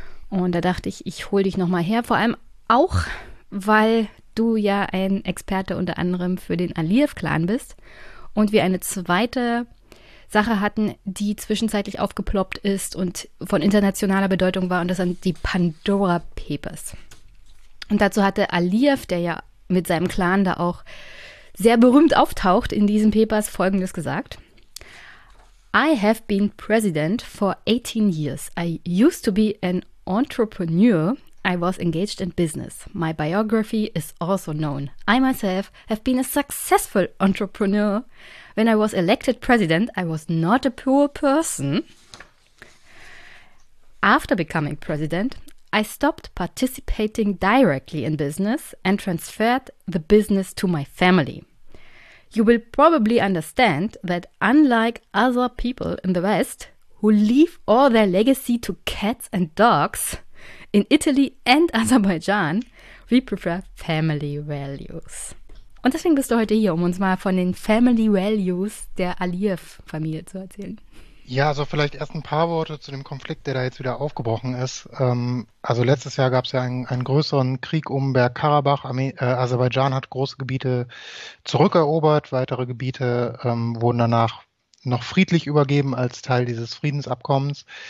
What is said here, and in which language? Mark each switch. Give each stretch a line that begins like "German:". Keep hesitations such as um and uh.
German: Und da dachte ich, ich hole dich nochmal her, vor allem auch, weil du ja ein Experte unter anderem für den Aliyev-Clan bist und wir eine zweite Sache hatten, die zwischenzeitlich aufgeploppt ist und von internationaler Bedeutung war, und das sind die Pandora Papers. Und dazu hatte Aliyev, der ja mit seinem Clan da auch sehr berühmt auftaucht in diesen Papers folgendes gesagt.
English: I have been president for 18 years. I used to be an entrepreneur. I was engaged in business. My biography is also known. I myself have been a successful entrepreneur. When I was elected president, I was not a poor person. After becoming president, I stopped participating directly in business and transferred the business to my family. You will probably understand that, unlike other people in the West who leave all their legacy to cats and dogs, in Italy and Aserbaidschan, we prefer family values.
German: Und deswegen bist du heute hier, um uns mal von den Family Values der Aliyev-Familie zu erzählen. Ja, also vielleicht erst ein paar Worte zu dem Konflikt, der da jetzt wieder aufgebrochen ist. Ähm, also letztes Jahr gab es ja einen, einen größeren Krieg um Bergkarabach. Arme- äh, Aserbaidschan hat große Gebiete zurückerobert, weitere Gebiete ähm, wurden danach noch friedlich übergeben als Teil dieses Friedensabkommens.